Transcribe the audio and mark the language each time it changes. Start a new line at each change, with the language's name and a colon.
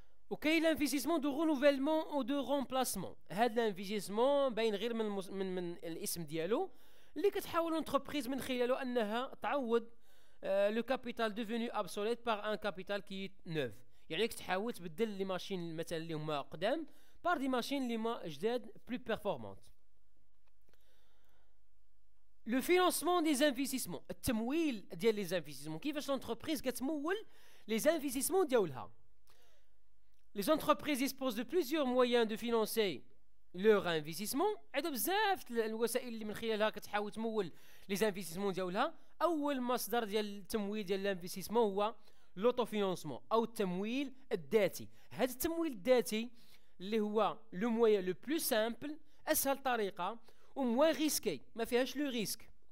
Arabic: وكاين لانفيستيسمون دو رونوفيلمون او دو رومبلاسمون. هاد لانفيستيسمون باين غير من الاسم ديالو، اللي كتحاول اونتربريز من خلاله انها تعوض لو كابيتال ديفوني ابسوليت باغ ان كابيتال كي نوف، يعني كتحاول تبدل لي ماشين مثلا اللي هما قدام بار دي ماشين اللي هما جداد بلو بيرفورمانت.
French: Le financement des investissements.
Arabic: التمويل ديال لي زانفيسيسمون. كيفاش لونتربريز كتمول لي زانفيسيسمون ديالها؟
French: Les entreprises disposent de plusieurs moyens de financer leur investissement.
Arabic: عندها بزاف الوسائل اللي من خلالها كتحاول تمول لي زانفيسيسمون ديالها. اول مصدر ديال التمويل ديال الانفيسيسمون هو l'autofinancement ou التمويل الذاتي. هذا التمويل الذاتي اللي هو لو مويا لو بلو سامبل, اسهل طريقه وموان ريسكي, ما فيهاش لو ريسك.